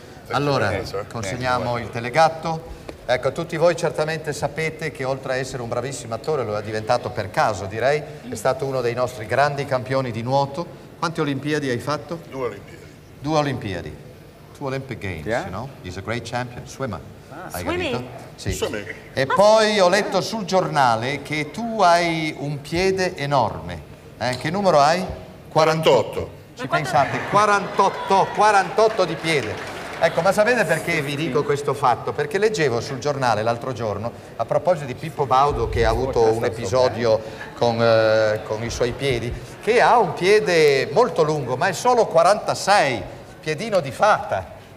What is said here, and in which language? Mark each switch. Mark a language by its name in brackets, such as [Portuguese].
[Italian] Allora, consegniamo il telegatto. Ecco, tutti voi certamente sapete che oltre a essere un bravissimo attore, lo è diventato per caso, direi, è stato uno dei nostri grandi campioni di nuoto. Quante Olimpiadi hai fatto? Due Olimpiadi. Due Olimpiadi. [English] Two Olympic Games, yeah, you know? He's a great champion, swimmer. [Italian] Hai capito? Sì. E poi ho letto sul giornale che tu hai un piede enorme. Che numero hai? 48. Ci pensate, 48 di piede. Ecco, ma sapete perché vi dico questo fatto? Perché leggevo sul giornale l'altro giorno, a proposito di Pippo Baudo che ha avuto un episodio con i suoi piedi, che ha un piede molto lungo, ma è solo 46, piedino di fata.